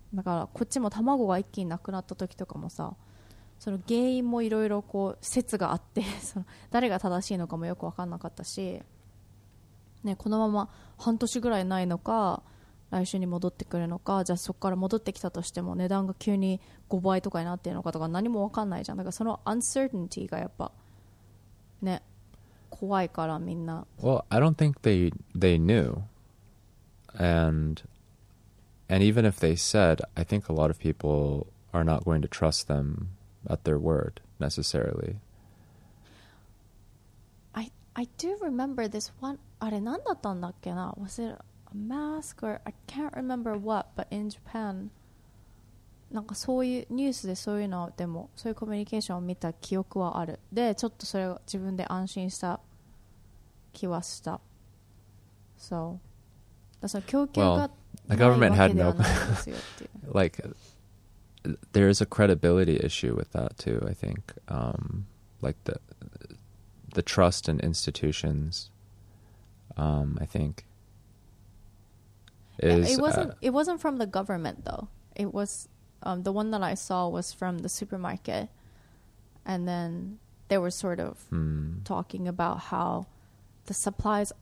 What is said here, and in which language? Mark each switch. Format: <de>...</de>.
<ja>だからこっちも卵が一気になくなった時とかもさその原因もいろいろこう説があってその誰が正しいのかもよく分かんなかったし、ね、このまま半年ぐらいないのか来週に戻ってくるのか、じゃあそこから戻ってきたとしても値段が急に5倍とかになってるのかとか何も分かんないじゃん。だからそのアンセーティニティがやっぱね怖いからみんな。</ja> <en>Well, I don't think they knew. And even if they said, I think a lot of people are not going to trust themat their word necessarily. I do remember this one.</en> <ja>あれ何だったんだっけな?</ja> <en>Was it a mask or I can't remember what? But in Japan,</en> <ja>なんかそういうニュースでそういうのでもそういうコミュニケーションを見た記憶はある。で、ちょっとそれを自分で安心した気はした。 So, だから供給がないわけではないですよっていう。</ja> <en>Well, the government had no like. There is a credibility issue with that too, I think. Like the trust in institutions, I think, is... It wasn't from the government though. It was... the one that I saw was from the supermarket. And then they were sort of talking about how the supplies...</en>